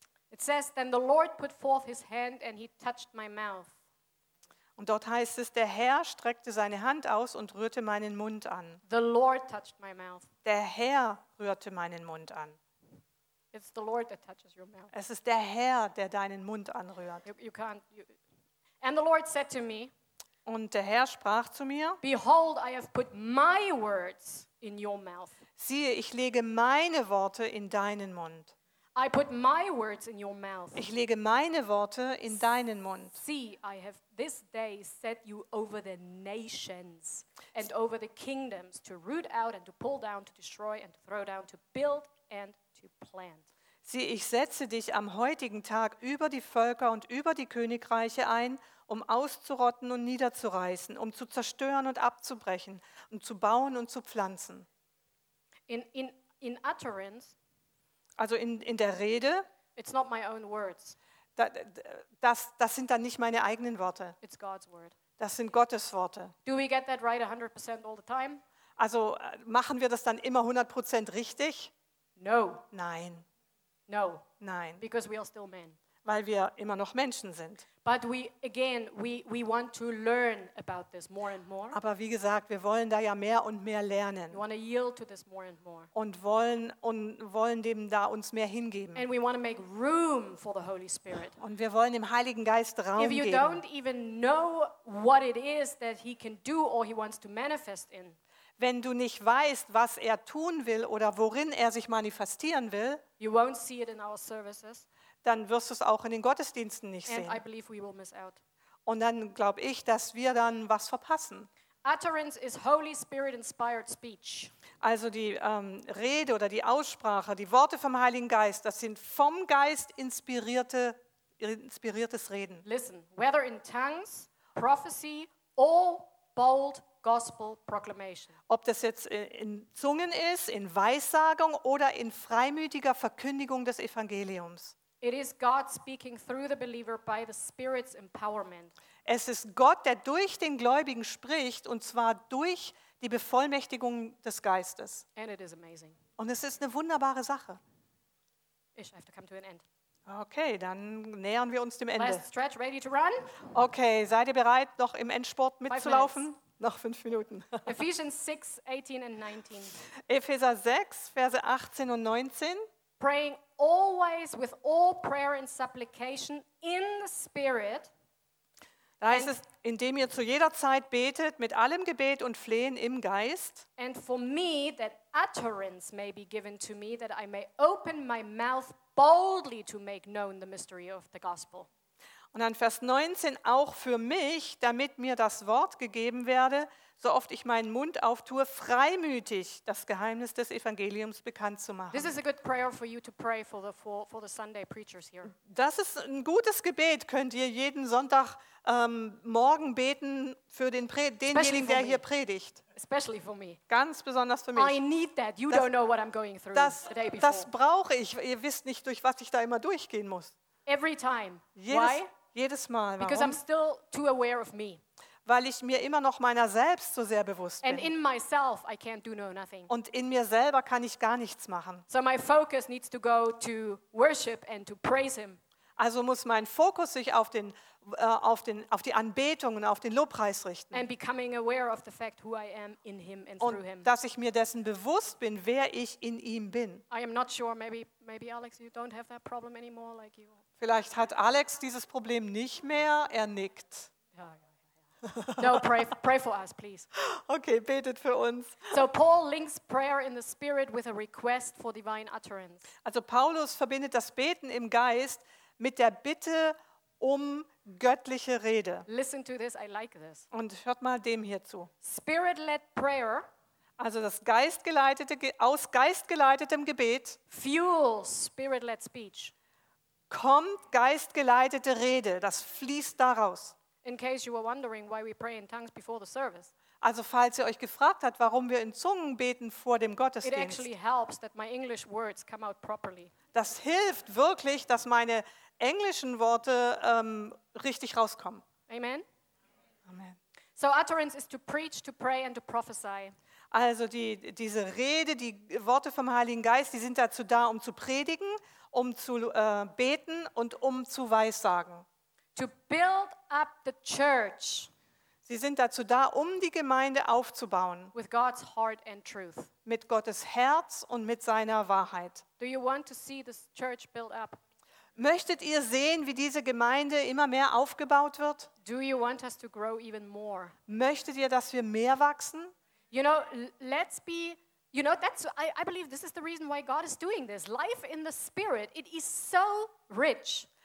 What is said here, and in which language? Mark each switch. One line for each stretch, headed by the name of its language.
English: It says, then the Lord put forth his hand and he touched my mouth.
German: Und dort heißt es, der Herr streckte seine Hand aus und rührte meinen Mund an.
English: The Lord touched my mouth.
German: Der Herr rührte meinen Mund an.
English: It's the Lord that touches your mouth.
German: Es ist der Herr, der deinen Mund anrührt.
English: You can't, you... And the Lord said to me,
German: und der Herr sprach zu mir,
English: behold, I have put my words in your mouth.
German: Siehe, ich lege meine Worte in deinen Mund.
English: I put my words in your mouth.
German: Ich lege meine Worte in deinen Mund.
English: See, I have this day set you over the nations and over the kingdoms to root out and to pull down, to destroy and to throw down, to build and to plant.
German: Siehe, ich setze dich am heutigen Tag über die Völker und über die Königreiche ein, um auszurotten und niederzureißen, um zu zerstören und abzubrechen, um zu bauen und zu pflanzen.
English: In utterance,
German: also in der Rede,
English: it's not my own words.
German: Das sind dann nicht meine eigenen Worte.
English: It's God's word.
German: Das sind Gottes Worte.
English: Do we get that right 100% all the time?
German: Also machen wir das dann immer 100% richtig?
English: No.
German: Nein.
English: No.
German: Nein.
English: Because we are still men.
German: Weil wir immer noch Menschen sind.
English: But we want to learn about this more and more.
German: Aber wie gesagt, wir wollen da ja mehr und mehr lernen.
English: We want to yield to this more and more.
German: Und wollen dem da uns mehr hingeben.
English: And we want to make room for the Holy Spirit.
German: Und wir wollen dem Heiligen Geist Raum geben.
English: If you don't even know what it is that he can do or he wants to manifest in.
German: Wenn du nicht weißt, was er tun will oder worin er sich manifestieren will,
English: you won't see it in our services.
German: Dann wirst du es auch in den Gottesdiensten nicht
English: and
German: sehen.
English: I believe we will miss out.
German: Und dann glaube ich, dass wir dann was verpassen.
English: Utterance is Holy Spirit-inspired speech.
German: Also die Rede oder die Aussprache, die Worte vom Heiligen Geist, das sind vom Geist inspiriertes Reden.
English: Listen, whether in tongues, prophecy or bold gospel proclamation.
German: Ob das jetzt in Zungen ist, in Weissagung oder in freimütiger Verkündigung des Evangeliums.
English: It is God speaking through the believer by the Spirit's empowerment.
German: Es ist Gott, der durch den Gläubigen spricht, und zwar durch die Bevollmächtigung des Geistes.
English: And it is amazing.
German: Und es ist eine wunderbare Sache.
English: Ich have to come to an end.
German: Okay, dann nähern wir uns dem Ende.
English: Last stretch, ready to run?
German: Okay, seid ihr bereit, noch im Endsport mitzulaufen? Noch 5 Minuten.
English: Ephesians 6, 18 and 19.
German: Epheser 6, Verse 18 und 19.
English: Praying always with all prayer and supplication in the Spirit.
German: Da heißt es, indem ihr zu jeder Zeit betet mit allem Gebet und Flehen im Geist.
English: And for me that utterance may be given to me that I may open my mouth boldly to make known the mystery of the gospel.
German: Und dann Vers 19, auch für mich, damit mir das Wort gegeben werde, so oft ich meinen Mund auftue, freimütig das Geheimnis des Evangeliums bekannt zu machen.
English: This is a good prayer for you to pray for the Sunday preachers here.
German: Das ist ein gutes Gebet, könnt ihr jeden Sonntag morgen beten für denjenigen, der hier predigt.
English: Especially for me.
German: Ganz besonders für mich.
English: I need that. You don't know what I'm going through the day before.
German: Das brauche ich. Ihr wisst nicht, durch was ich da immer durchgehen muss.
English: Every time. Why?
German: Jedes Mal. Warum?
English: Because I'm still too aware of me.
German: Weil ich mir immer noch meiner selbst so sehr bewusst bin.
English: And in myself I can't do no nothing.
German: Und in mir selber kann ich gar nichts machen.
English: So my focus needs to go to worship and to praise him.
German: Also muss mein Fokus sich auf die Anbetung und auf den Lobpreis richten.
English: And becoming aware of the fact who I am in him and
German: und
English: through him.
German: Und dass ich mir dessen bewusst bin, wer ich in ihm bin.
English: I am not sure, maybe Alex, you don't have that problem anymore like you.
German: Vielleicht hat Alex dieses Problem nicht mehr, er nickt.
English: No, pray for us, please.
German: Okay, betet für uns.
English: So Paul links prayer in the spirit with a request for divine utterance.
German: Also Paulus verbindet das Beten im Geist mit der Bitte um göttliche Rede.
English: Listen to this, I like this.
German: Und hört mal dem hier zu.
English: Spirit-led prayer,
German: also das geistgeleitete, aus Geist geleitetem Gebet,
English: fuels spirit-led speech.
German: Kommt geistgeleitete Rede, das fließt daraus.
English: In case you were wondering why we pray in tongues before the service.
German: Also falls ihr euch gefragt habt, warum wir in Zungen beten vor dem Gottesdienst.
English: It actually helps that my English words come out properly.
German: Das hilft wirklich, dass meine englischen Worte richtig rauskommen.
English: Amen.
German: Amen.
English: So utterance is to preach, to pray and to prophesy.
German: Also diese Rede, die Worte vom Heiligen Geist, die sind dazu da, um zu predigen, um zu beten und um zu weissagen.
English: To build up the church.
German: Sie sind dazu da, um die Gemeinde aufzubauen.
English: With God's heart and truth.
German: Mit Gottes Herz und mit seiner Wahrheit.
English: Do you want to see this church built up?
German: Möchtet ihr sehen, wie diese Gemeinde immer mehr aufgebaut wird?
English: Do you want us to grow even more?
German: Möchtet ihr, dass wir mehr wachsen?
English: You know, let's be, you know, that's, I believe this is the reason why God is doing this. Life in the Spirit, it is so rich.